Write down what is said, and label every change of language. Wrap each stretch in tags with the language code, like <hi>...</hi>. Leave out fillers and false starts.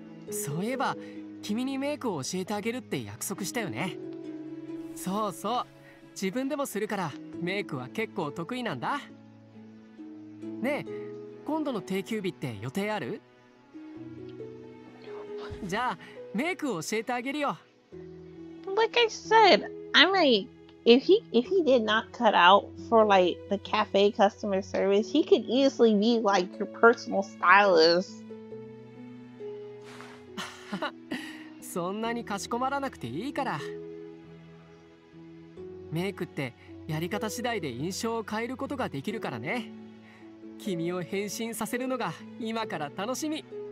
<ja>そういえば君にメイクを教えてあげるって約束したよね。そうそう、自分でもするからメイクは結構得意なんだ。ねえ、今度の定休日って予定ある？じゃあメイクを教えてあげるよ。</ja> <en>Like I said, I'm like, if he did not cut out for like the cafe customer service, he could easily be like your personal stylist.</en> <ja>そんなにかしこまらなくていいから。メイクってやり方次第で印象を変えることができるからね。君を変身させるのが今から楽しみ。</ja>